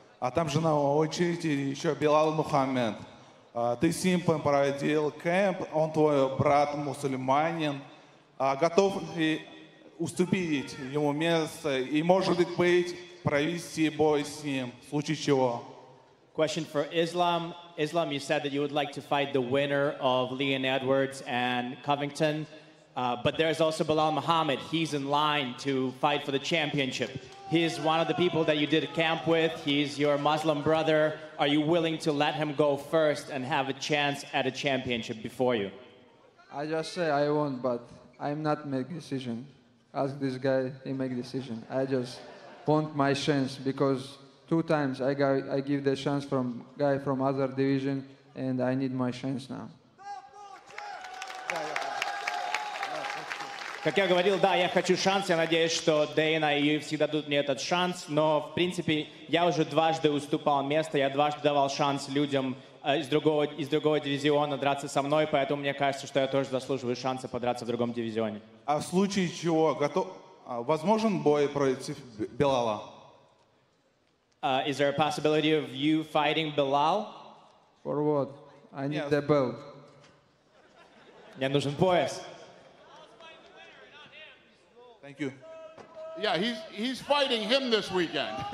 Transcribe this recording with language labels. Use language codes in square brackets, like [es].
[ru] А там же на очереди еще Билал Мухаммед. Ты с ним проводил кэмп, он твой брат мусульманин. Готов ли уступить ему место и, может быть, провести бой с ним, в случае чего? [en] Question for Islam. Islam, you said that you would like to fight the winner of Leon Edwards and Covington, but there's also Bilal Muhammad. He's in line to fight for the championship. He's one of the people that you did a camp with. He's your Muslim brother. Are you willing to let him go first and have a chance at a championship before you? I just say I won't, but I'm not making decision. Ask this guy, he make decision. I just want my chance because two times I give the chance from guy from other division, and I need my chance now. [ru] Как я говорил, да, я хочу шанс. Я надеюсь, что Дейна и UFC дадут мне этот шанс. Но в принципе я уже дважды уступал место. Я дважды давал шанс людям из другого дивизиона драться со мной. Поэтому мне кажется, что я тоже заслуживаю шанса подраться в другом дивизионе. А в случае чего готов? Возможен бой против Билала? [en] Is there a possibility of you fighting Bilal? For what? I need the belt. [ru] Мне нужен пояс. [en] Thank you. Yeah, he's fighting him this weekend.